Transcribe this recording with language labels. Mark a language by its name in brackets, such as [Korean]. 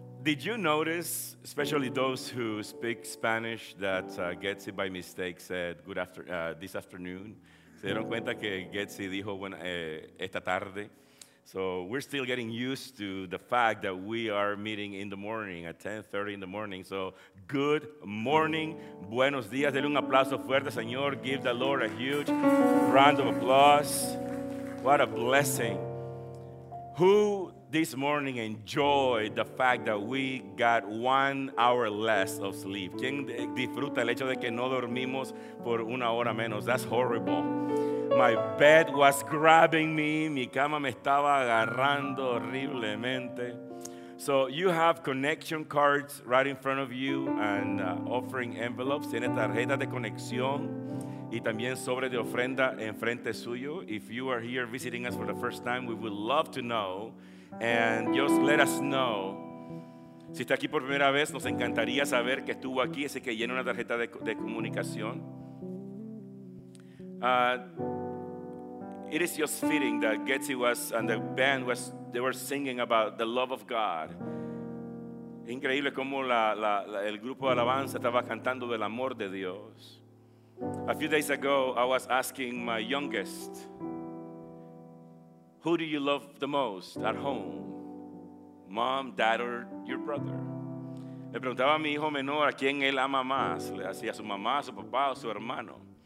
[English] Did you notice, especially those who speak Spanish, that Getsy by mistake said good afternoon, this afternoon? [Spanish] Se dieron cuenta que Getsy dijo esta tarde? [English] So we're still getting used to the fact that we are meeting in the morning at 10:30 in the morning. So good morning, [Spanish] buenos dias. Denle un aplauso fuerte, señor. [English] Give the Lord a huge round of applause. What a blessing. Who this morning enjoyed the fact that we got 1 hour less of sleep? [Spanish] ¿Quién disfruta el hecho de que no dormimos por una hora menos? [English] That's horrible. My bed was grabbing me. [Spanish] Mi cama me estaba agarrando horriblemente. [English] So you have connection cards right in front of you and offering envelopes. [Spanish] Tiene tarjeta de conexión y también sobre de ofrenda en frente suyo. [English] If you are here visiting us for the first time, we would love to know. And just let us know. [Spanish] Si está aquí por primera vez, nos encantaría saber que estuvo aquí, ese que llena una tarjeta de comunicación. [English] It is just fitting that Getsy was and the band was, they were singing about the love of God. [Spanish] Increíble cómo el grupo de alabanza estaba cantando del amor de Dios. [English] A few days ago, I was asking my youngest, who do you love the most at home? Mom, dad, or your brother? [Spanish] Le preguntaba a mi hijo menor a quién él ama más, si a su mamá, su papá, o su hermano.